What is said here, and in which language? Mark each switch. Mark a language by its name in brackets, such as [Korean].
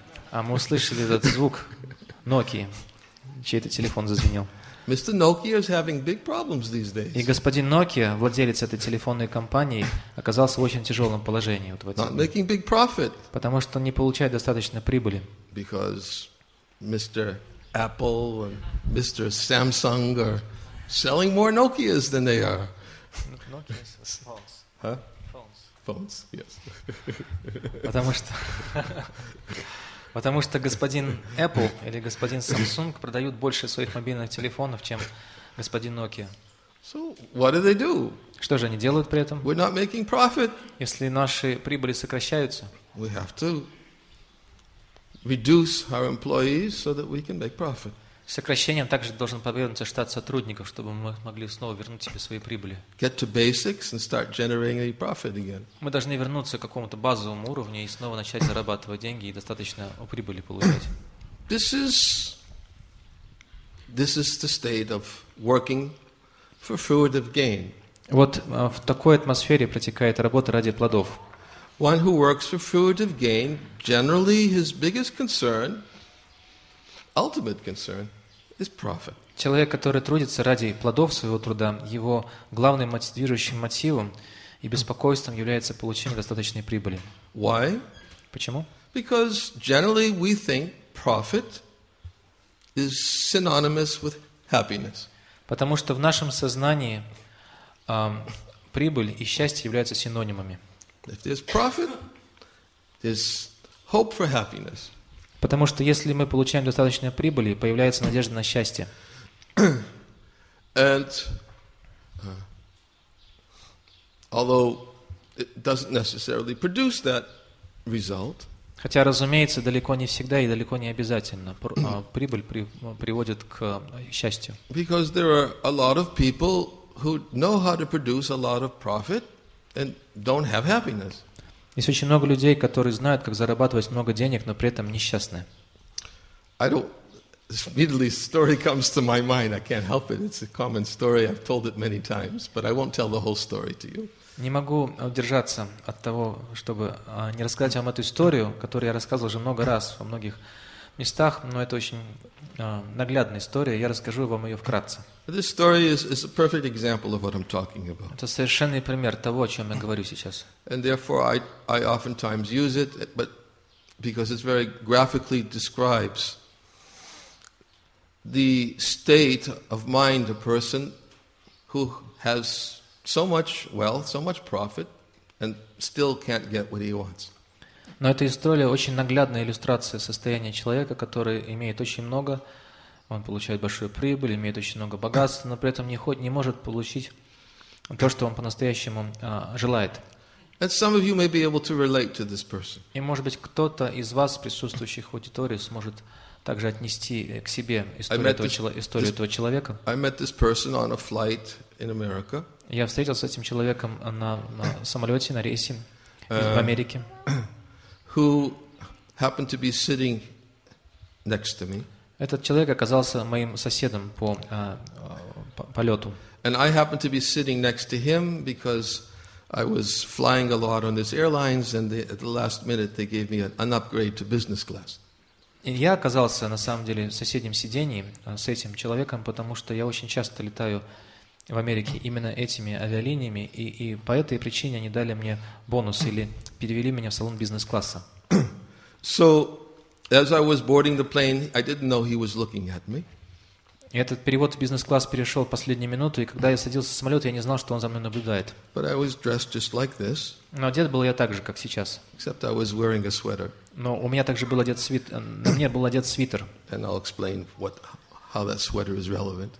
[Russian] А мы услышали этот звук Nokia, чей-то телефон зазвенел. [English] Mr. Nokia is having big problems these days. [Russian] И господин Nokia, владелец этой телефонной компании, оказался в очень тяжелом положении. Вот в этом, [English] not making big profit. [Russian] Потому что он не получает достаточно прибыли. [English] Because Mr. Apple and Mr. Samsung are selling more Nokias than they are. Nokias, phones. Huh? Phones. Phones, yes. [Russian] Потому что господин Apple или господин Samsung продают больше своих мобильных телефонов, чем господин Nokia. [English] So, what do they do? [Russian] Что же они делают при этом? [English] We're not making profit. [Russian] Если наши прибыли сокращаются, [English] we have to reduce our employees so that we can make profit. [Russian] Сокращением также должен подвергнуться штат сотрудников, чтобы мы могли снова вернуть себе свои прибыли. [English] Get to basics and start generating a profit again. [Russian] Мы должны вернуться к какому-то базовому уровню и снова начать зарабатывать деньги и достаточно прибыли получать. [English] This is the state of working for fruit of gain. [Russian] Вот в такой атмосфере протекает работа ради плодов. [English] One who works for fruit of gain, generally his biggest concern, ultimate concern, is profit. [Russian] Человек, который трудится ради плодов своего труда, его главным движущим мотивом и беспокойством является получение достаточной прибыли. [English] Why? [Russian] Почему? [English] Because generally we think profit is synonymous with happiness. [Russian] Потому что в нашем сознании прибыль и счастье являются синонимами. [English] If there's profit, there's hope for happiness. [Russian] Потому что если мы получаем достаточную прибыль, появляется надежда на счастье. [English] And although it doesn't necessarily produce that result, [Russian] хотя, разумеется, далеко не всегда и далеко не обязательно прибыль приводит к счастью. [English] Because there are a lot of people who know how to produce a lot of profit and don't have happiness. [Russian] Есть очень много людей, которые знают, как зарабатывать много денег, но при этом несчастны. [English] I don't, immediately story comes to my mind. I can't help it. It's a common story. I've told it many times, but I won't tell the whole story to you. [Russian] Не могу удержаться от того, чтобы не рассказать вам эту историю, которую я рассказывал уже много раз во многих местах, но это очень наглядная история. Я расскажу вам ее вкратце. [English] This story is a perfect example of what I'm talking about. [Russian] Это совершенный пример того, о чем я говорю сейчас. [English] And therefore, I oftentimes use it, but because it's very graphically describes the state of mind a person who has so much wealth, so much profit, and still can't get what he wants. [Russian] Но эта история очень наглядная иллюстрация состояния человека, который имеет очень много. Он получает большую прибыль, имеет очень много богатства, но при этом не может получить то, что он по-настоящему желает. [English] And some of you may be able to relate to this person. [Russian] И, может быть, кто-то из вас, присутствующих в аудитории, сможет также отнести к себе историю этого человека. [English] I met this person on a flight in America. [Russian] Я встретился с этим человеком на самолете, на рейсе в Америке. [English] Who happened to be sitting next to me. [Russian] Этот человек оказался моим соседом по полету. [English] And I happened to be sitting next to him because I was flying a lot on his airlines, and they, at the last minute they gave me an upgrade to business class. [Russian] И я оказался на самом деле в соседнем сидении с этим человеком, потому что я очень часто летаю в Америке именно этими авиалиниями, и по этой причине они дали мне бонус или перевели меня в салон бизнес-класса. [English] So, as I was boarding the plane, I didn't know he was looking at me. [Russian] И этот перевод в бизнес-класс перешел в последнюю минуту, и когда я садился в самолет, я не знал, что он за мной наблюдает. [English] But I was dressed just like this. [Russian] Но одет был я так же, как сейчас. [English] Except I was wearing a sweater. [Russian] Но у меня также был одет свитер. На мне был одет свитер. [English] And I'll explain what, how that sweater is relevant.